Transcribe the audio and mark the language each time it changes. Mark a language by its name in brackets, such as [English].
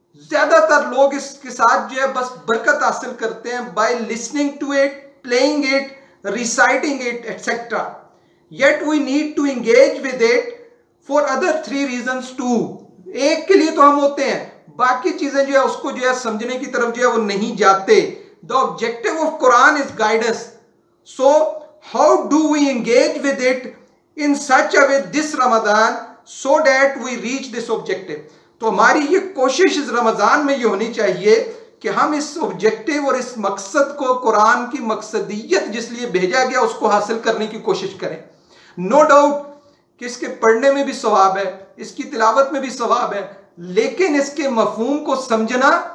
[Urdu] زیادہ تر لوگ اس کے ساتھ جو ہے بس برکت حاصل کرتے ہیں [English] By listening to it playing it reciting it etcetera Yet we need to engage with it for other three reasons too. [Urdu] ایک کے لیے تو ہم ہوتے ہیں باقی چیزیں جو ہے اس کو جو ہے سمجھنے کی طرف جو ہے وہ نہیں جاتے [English] The objective of Quran is guidance. So how do we engage with it in such a way this Ramadan so that we reach this objective? [Urdu] تو ہماری یہ کوشش اس رمضان میں یہ ہونی چاہیے کہ ہم اس آبجیکٹیو اور اس مقصد کو قرآن کی مقصدیت جس لیے بھیجا گیا اس کو حاصل کرنے کی کوشش کریں [English] no doubt [Urdu] کہ اس کے پڑھنے میں بھی ثواب ہے اس کی تلاوت میں بھی ثواب ہے لیکن اس کے مفہوم کو سمجھنا